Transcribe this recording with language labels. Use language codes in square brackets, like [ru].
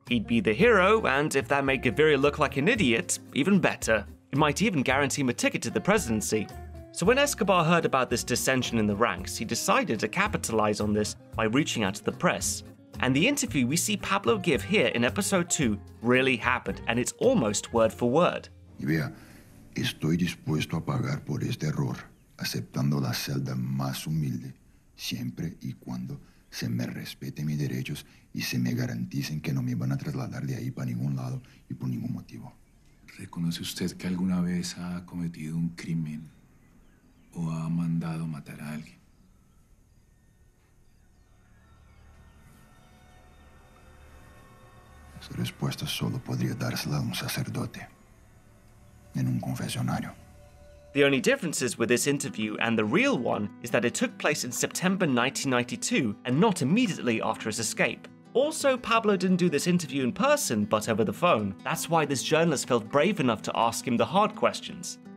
[en] He'd be the hero, and if that made Gaviria look like an idiot, even better. It might even guarantee him a ticket to the presidency. So when Escobar heard about this dissension in the ranks, he decided to capitalize on this by reaching out to the press. And the interview we see Pablo give here in episode 2 really happened, and it's almost word for word. Yeah. [es] Estoy dispuesto a pagar por este error, aceptando la celda más humilde, siempre y cuando se me respete mis derechos y se me garanticen que no me van a trasladar de ahí para ningún lado y por ningún motivo. ¿Reconoce usted que alguna vez ha cometido un crimen o ha mandado matar a alguien? Esa respuesta solo podría dársela a un sacerdote. In un confessionario. [en] The only differences with this interview and the real one is that it took place in September 1992 and not immediately after his escape. Also, Pablo didn't do this interview in person, but over the phone. That's why this journalist felt brave enough to ask him the hard questions.